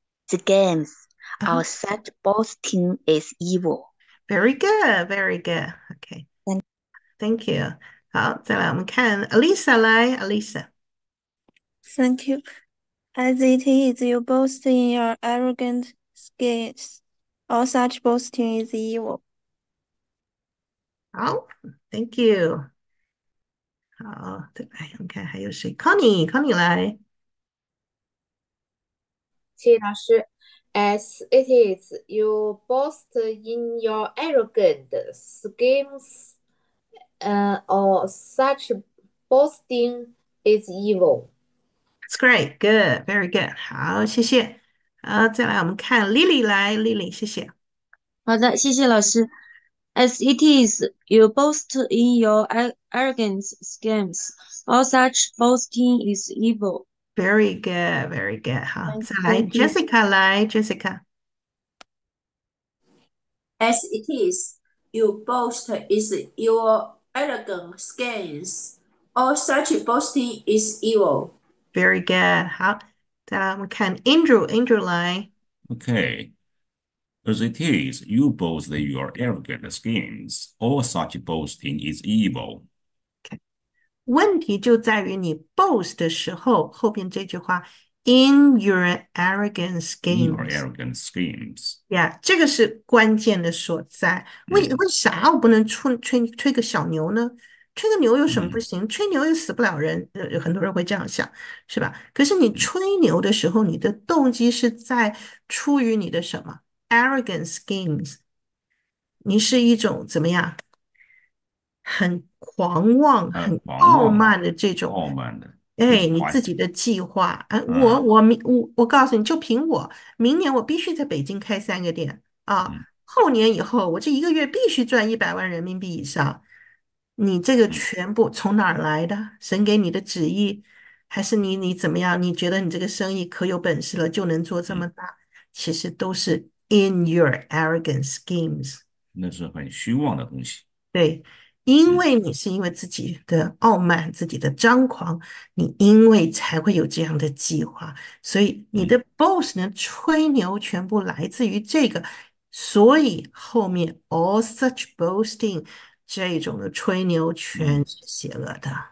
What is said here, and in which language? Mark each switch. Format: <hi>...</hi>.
<en>schemes, our such boasting is evil. Very good, very good. Okay, thank you.</en> <zh>好，再来我们看 Alisa 来，Alisa。</zh> <en>Thank you. As it is, you boast in your arrogant schemes. All such boasting is evil.</en> <zh>好，</zh> <en>Thank you。</en> <zh>好，再来，我们看还有谁？Connie，Connie 来。谢谢老师。</zh> <en>As it is, you boast in your arrogant schemes. All such boasting is evil. That's great, good, very good。</en> <zh>好，谢谢。好，再来，我们看 Lily 来，Lily，谢谢。好的，谢谢老师。</zh> <en>As it is, you boast in your arrogant schemes. All such boasting is evil. Very good, very good.</en> <zh>好，再来</zh> <en>Thank you.</en> <zh>Jessica 来，Jessica。</zh> <en>As it is, you boast in your arrogant schemes. All such boasting is evil. Very good.</en> <zh>好，再来我们看 Andrew 来。</zh> <en>Okay. As it is, you boast that you are arrogant schemes. All such boasting is evil.</en> <zh>问题就在于你 boast 的时候，后边这句话</zh> <en>in your arrogant In your schemes， arrogant schemes，</en> <zh>呀，这个是关键的所在。为啥我不能吹个小牛呢？吹个牛有什么不行？吹牛又死不了人，有很多人会这样想，是吧？可是你吹牛的时候，你的动机是在出于你的什么</zh> <en>arrogant schemes？</en> <zh>你是一种怎么样？很狂妄、很狂傲妄慢的，的这种，傲慢的，哎，</zh> <en>is</en> <zh>你自</zh> <en>quite，</en> <zh>己的计划，哎，我告诉你，就凭我，明年我必须在北京开3个店啊，后年以后我这一个月必须赚100万人民币以上，你这个全部从哪儿来的？神给你的旨意，还是你怎么样？你觉得你这个生意可有本事了，就能做这么大？其实都是</zh> <en>in your arrogant schemes，</en> <zh>那是很虚妄的东西，对。因为你是因为自己的傲慢、自己的张狂，你因为才会有这样的计划，所以你的 boss 呢吹牛全部来自于这个，所以后面</zh> <en>all such boasting</en> <zh>这种的吹牛全是邪恶的。</zh>